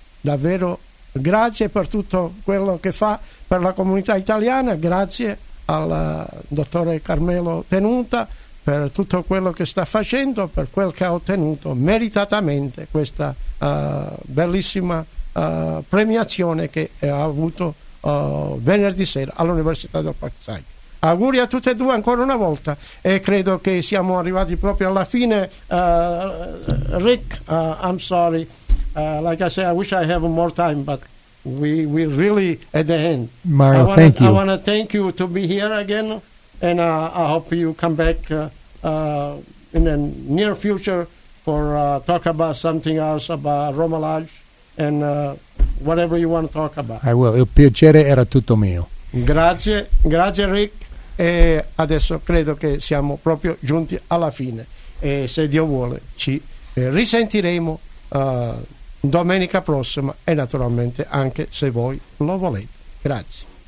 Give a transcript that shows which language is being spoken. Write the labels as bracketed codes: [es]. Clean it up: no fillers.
[it] Davvero grazie per tutto quello che fa per la comunità italiana, grazie al dottore Carmelo Tenuta per tutto quello che sta facendo, per quel che ha ottenuto meritatamente questa bellissima premiazione che ha avuto venerdì sera all'Università del Parkside. Auguri a tutte e due ancora una volta, e credo che siamo arrivati proprio alla fine. [en] Rick, I'm sorry. Like I say, I wish I have more time, but we really at the end. Mario, thank you. I want to thank you to be here again, and I hope you come back in the near future for talk about something else about Roma Lodge and whatever you want to talk about. I will. [it] Il piacere era tutto mio. Grazie, grazie Rick. E adesso credo che siamo proprio giunti alla fine. E se Dio vuole, ci risentiremo domenica prossima, e naturalmente anche se voi lo volete. Grazie.